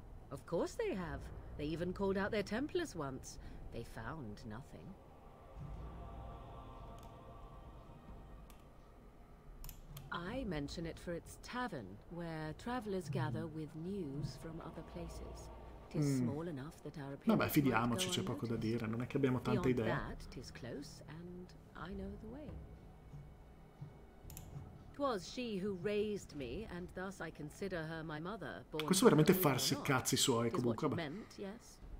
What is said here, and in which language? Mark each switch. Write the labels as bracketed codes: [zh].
[en] Of course they have. They even called out their templars once. They found nothing. I mention it for its tavern, where travellers gather with news from other places. Tis small enough that our appearance. [it] Vabbè, fidiamoci, c'è poco da dire, non è che abbiamo tante idee. [en] That, tis close, and I know the way. 'Twas she who raised me, and thus I consider her my mother. [it] Questo veramente farsi i cazzi suoi, comunque. Vabbè. Yes.